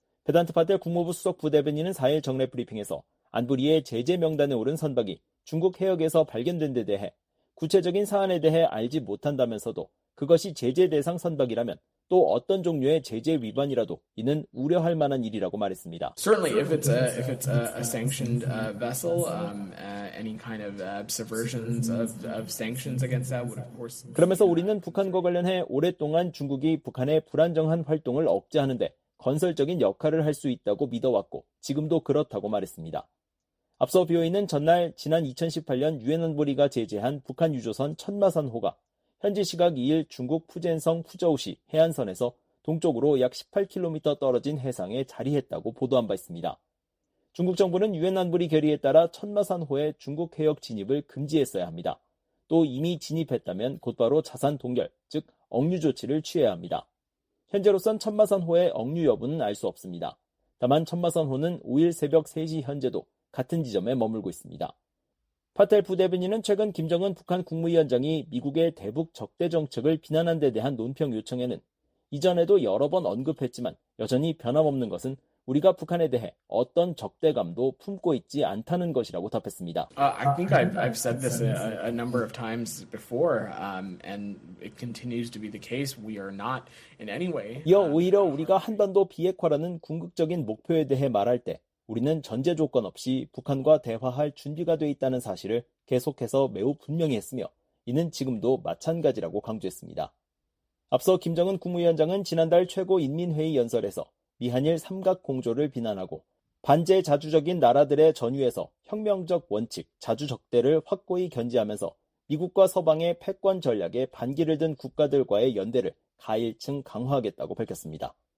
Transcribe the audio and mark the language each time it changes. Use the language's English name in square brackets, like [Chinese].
[Korean] 페단트 파텔 국무부 수석 부대변인은 4일 정례 브리핑에서 안보리의 제재 명단에 오른 선박이 중국 해역에서 발견된 데 대해 구체적인 사안에 대해 알지 못한다면서도 그것이 제재 대상 선박이라면 또 어떤 종류의 제재 위반이라도 이는 우려할 만한 일이라고 말했습니다. [English] Certainly if it's a sanctioned vessel any kind of subversions of sanctions against that would of course [Korean] 그러면서 우리는 북한과 관련해 오랫동안 중국이 북한의 불안정한 활동을 억제하는데 건설적인 역할을 할 수 있다고 믿어왔고 지금도 그렇다고 말했습니다. 앞서 비오이는 전날 지난 2018년 유엔 안보리가 제재한 북한 유조선 천마산호가 현지 시각 2일 중국 푸젠성 푸저우시 해안선에서 동쪽으로 약 18km 떨어진 해상에 자리했다고 보도한 바 있습니다. 중국 정부는 유엔 안보리 결의에 따라 천마산호의 중국 해역 진입을 금지했어야 합니다. 또 이미 진입했다면 곧바로 자산 동결, 즉 억류 조치를 취해야 합니다. 현재로선 천마산호의 억류 여부는 알 수 없습니다. 다만 천마산호는 5일 새벽 3시 현재도 같은 지점에 머물고 있습니다. 파텔 부대변인은 최근 김정은 북한 국무위원장이 미국의 대북 적대 정책을 비난한 데 대한 논평 요청에는 이전에도 여러 번 언급했지만 여전히 변함없는 것은 우리가 북한에 대해 어떤 적대감도 품고 있지 않다는 것이라고 답했습니다. [English] I think I've said this a number of times before, and it continues to be the case. We are not in any way. [Korean] 이어 오히려 우리가 한반도 비핵화라는 궁극적인 목표에 대해 말할 때 우리는 전제 조건 없이 북한과 대화할 준비가 돼 있다는 사실을 계속해서 매우 분명히 했으며 이는 지금도 마찬가지라고 강조했습니다. 앞서 김정은 국무위원장은 지난달 최고 인민회의 연설에서 미한일 삼각공조를 비난하고 반제 자주적인 나라들의 전유에서 혁명적 원칙, 자주적대를 확고히 견지하면서 미국과 서방의 패권 전략에 반기를 든 국가들과의 연대를 가일층 강화하겠다고 밝혔습니다.